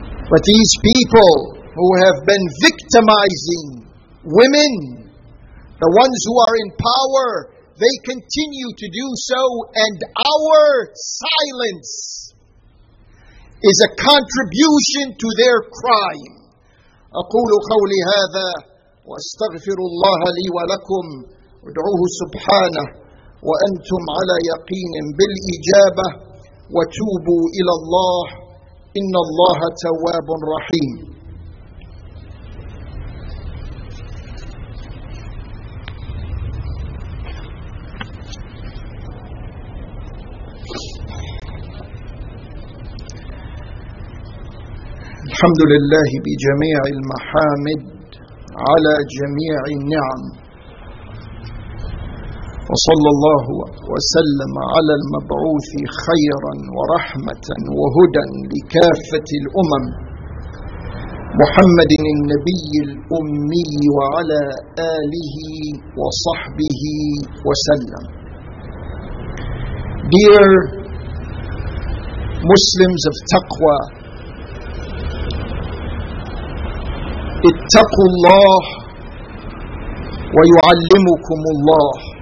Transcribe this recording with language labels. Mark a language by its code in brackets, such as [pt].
[en] But these people who have been victimizing women, the ones who are in power, they continue to do so, and our silence is a contribution to their crime. [ar] أقول قولي هذا وأستغفر الله لي ولكم وادعوه سبحانه وأنتم على يقين بالإجابة وتوبوا إلى الله إن الله تواب رحيم. الحمد لله بجميع المحامد على جميع النعم، وصلى الله وسلم على المبعوث خيرا ورحمة وهدى لكافة الأمم محمد النبي الأمي وعلى آله وصحبه وسلم. [en] Dear Muslims of Taqwa, [ar] اتقوا الله ويعلمكم الله.